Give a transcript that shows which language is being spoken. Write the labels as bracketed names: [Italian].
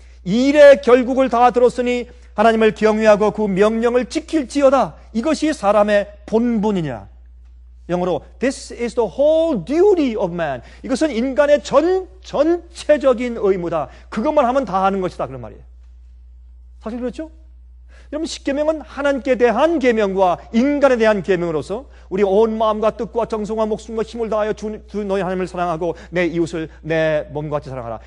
[Korean] 일의 결국을 다 들었으니 하나님을 경외하고 그 명령을 지킬지어다. 이것이 사람의 본분이냐. 영어로 [English] This is the whole duty of man. [Korean] 이것은 인간의 전체적인 의무다. 그것만 하면 다 하는 것이다. 그런 말이에요. 사실 그렇죠? 여러분 십계명은 하나님께 대한 계명과 인간에 대한 계명으로서 우리 온 마음과 뜻과 정성과 목숨과 힘을 다하여 너희 하나님을 사랑하고 내 이웃을 내 몸과 같이 사랑하라.